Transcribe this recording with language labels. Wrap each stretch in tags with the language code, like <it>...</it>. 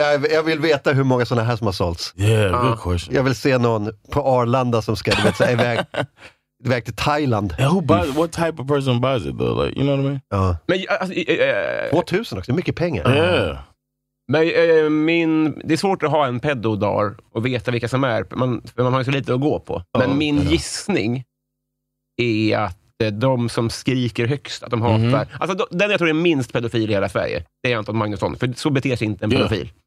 <sv>jag vill veta hur många sådana här som har sålts.</sv> <en>Yeah, good question.</en> <sv>Jag vill se någon på Arlanda som ska iväg till Thailand.</sv> <en>Yeah, who buys, what type of person buys it though? Like, you know what I mean?</en> <sv>Men, 2000 också, mycket pengar.</sv> <en>Yeah.</en> <sv>Men det är svårt att ha en pedodar och veta vilka som är. Man har ju så lite att gå på. Men min gissning är att de som skriker högst att de hatar. Mm-hmm. Alltså den jag tror är minst pedofil i hela Sverige, det är Anton Magnusson, för så beter sig inte en pedofil.</sv>